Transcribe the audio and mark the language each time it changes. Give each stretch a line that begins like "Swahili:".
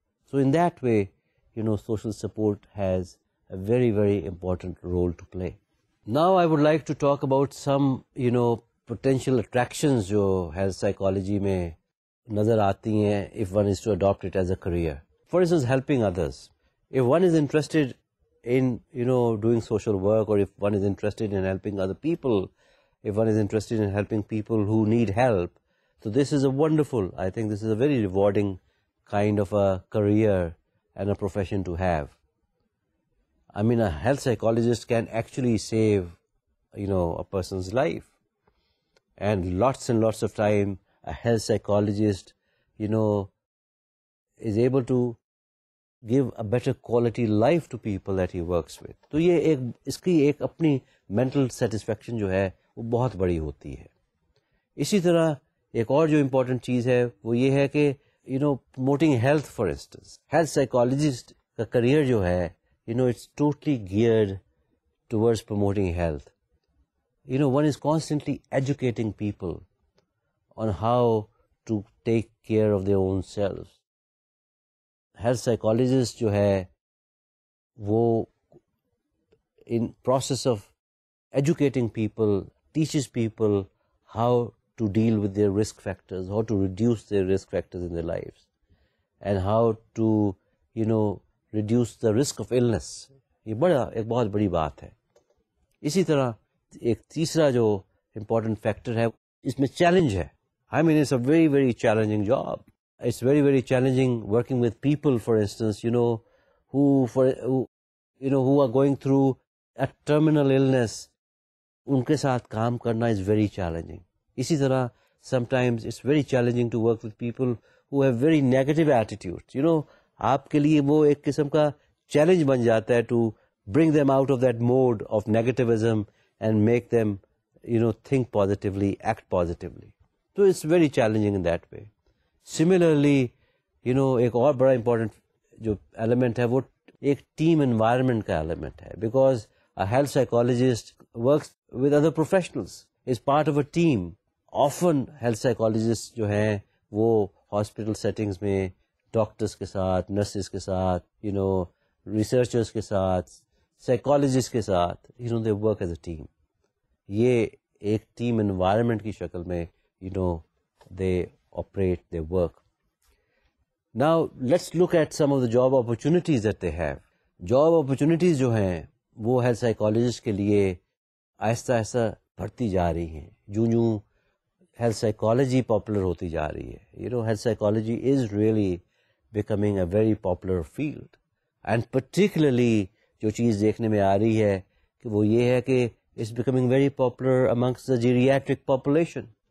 English: So in that way you know social support has a very very important role to play. Now I would like to talk about some you know potential attractions
Urdu: جو health psychology میں نظر آتی ہیں
English: If one is to adapt it as a career. For instance helping others, if one is interested in you know doing social work, or if one is interested in helping other people, if one is interested in helping people who need help, so this is a wonderful, I think this is a very rewarding kind of a career and a profession to have. I mean, a health psychologist can actually save you know a person's life, and lots and lots of time a health psychologist you know is able to give a better quality life to people that he works with.
Urdu: تو یہ ایک اس کی ایک اپنی mental satisfaction جو ہے وہ بہت بڑی ہوتی ہے. اسی طرح ایک اور جو امپورٹنٹ چیز ہے وہ یہ ہے کہ
English: you know promoting health for instance, health psychologist
Urdu: کا کریئر جو ہے
English: You know it's totally geared towards promoting health. You know one is constantly educating people on how to take care of their own self. Health psychologist
Urdu: جو ہے وہ
English: In process of educating people teaches people how to deal with their risk factors, how to reduce their risk factors in their life, and how to you know reduce the risk of illness.
Urdu: یہ بڑا ایک بہت بڑی بات ہے. اسی طرح ایک تیسرا جو امپورٹنٹ فیکٹر ہے اس میں چیلنج ہے.
English: I mean it's a very very challenging job. It's very, very challenging working with people, for instance, you know, who are going through a terminal illness.
Urdu: Unke saath kaam karna
English: is very challenging.
Urdu: Isi tarah,
English: sometimes it's very challenging to work with people who have very negative attitudes. You know,
Urdu: aapke liye wo ek kisam ka challenge ban jata hai
English: to bring them out of that mode of negativism and make them, you know, think positively, act positively. So it's very challenging in that way. Similarly you know
Urdu: ایک اور بڑا important جو element ہے
English: وہ ایک team environment کا ایلیمنٹ ہے, because health psychologist works with other professionals, is part of a team.
Urdu: Often health psychologist جو ہیں وہ ہاسپٹل سیٹنگس میں ڈاکٹرس کے ساتھ, نرسز کے ساتھ,
English: You know researchers کے ساتھ, psychologist کے ساتھ, you know they work as a team.
Urdu: یہ ایک ٹیم انوائرمنٹ کی شکل میں
English: You know they operate their work. Now, let's look at some of the job opportunities that they have. Job opportunities
Urdu: جو ہیں وہ ہیلتھ سائیکالوجسٹ کے لیے آہستہ آہستہ بڑھتی جا رہی ہیں. جوں جوں ہیلتھ سائیکالوجی پاپولر ہوتی جا رہی ہے,
English: You know health psychology is really becoming a very popular field.
Urdu: And particularly جو چیز دیکھنے میں آ رہی ہے کہ وہ یہ ہے کہ
English: It's becoming very popular amongst the geriatric population.